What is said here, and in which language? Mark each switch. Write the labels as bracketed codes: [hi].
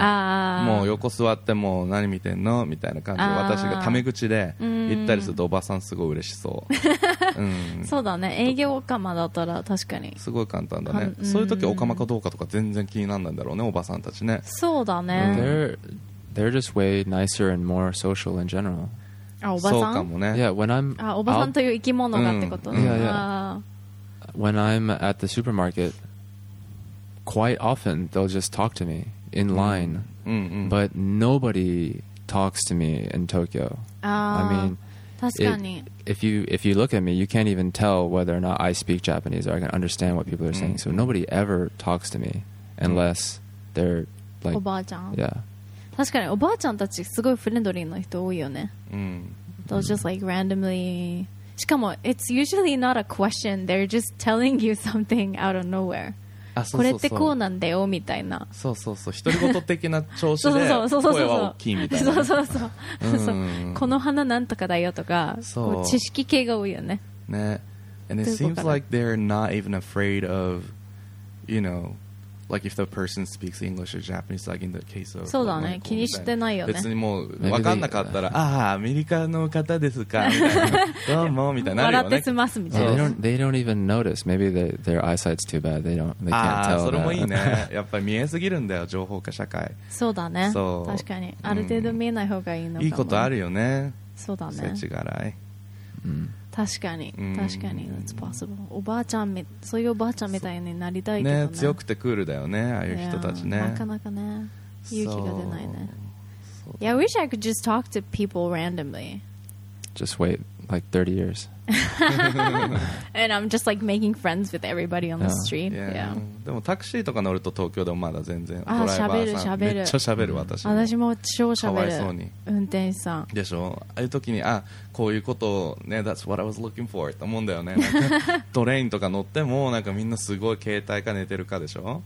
[ja] あ、もう横座ってもう何見てんのみたいな感じで私がタメ口で言ったりするとおばさんすごい嬉しそううん、そうだね、営業オカマだったら確かにすごい簡単だね。そういう時オカマかどうかとか全然気にならないんだろうね、おばさんたちね。そうだね、 [en] they're just way nicer and more social in general。 [ja] あ、おばさん？そうかもね。 [en] Yeah, when I'm, [ja] あ、おばさんという生き物がってこと、うん、 [en] yeah, yeah. When I'm at the supermarket, quite often they'll just talk to me in line、うんうんうん、 but nobody talks to me in Tokyo。あ、 I mean, [ja] 確かに。 [en] If you look at me, you can't even tell whether or not I speak Japanese or I can understand what people are saying.、Mm. So nobody ever talks to me unless they're like... [ja] おばあちゃん。 [en] Yeah. [ja] 確かにおばあちゃんたちすごいフレンドリーな人多いよね。 Mm. [en] They'll just like randomly... [ja] しかも [en] it's usually not a question. They're just telling you something out of nowhere. [ja] あ、そうそうそう、これってこうなんだよみたいな。そうそうそう、独り言的な調子で声は大きいみたいな。そうそうそう、うん、この花なんとかだよとか、そう、知識系が多いよね。 [en] ね、and it seems like they're not even afraid of, you know, like if the person speaks English or Japanese, like in the case of. [ja] そうだね、気にしてないよね。別にもう分かんなかったら、ああ、アメリカの方ですか。どうもみたいな。笑って済ますみたいな。 [en] They don't even notice. Maybe their eyesight's too bad. They can't tell. [ja] ああ、それもいいね。やっぱり見えすぎるんだよ、情報化社会。そうだね。そう。確かに、ある程度見えない方がいいのかも。いいことあるよね。そうだね。せちがらい。確かに、確かに、 [en] It's possible. [ja] おばあちゃんそういうおばあちゃんみたいになりたいけどね強くてクールだよね、ああいう人たちね。なかなかね、勇気が出ないね。 [en] Yeah, I wish I could just talk to people randomly. Just wait like 30 years. And I'm just like making friends with everybody on the street. Yeah. [ja] でもタクシーとか乗ると東京でもまだ全然。ああ、喋る喋る。めっちゃ喋る私。私も超喋る。かわいそうに。運転手さん。でしょ。ああいう時にあこういうことをね、 [en] That's what I was looking for [ja] と思うんだよね。トレインとか乗ってもなんかみんなすごい携帯か寝てるかでしょ。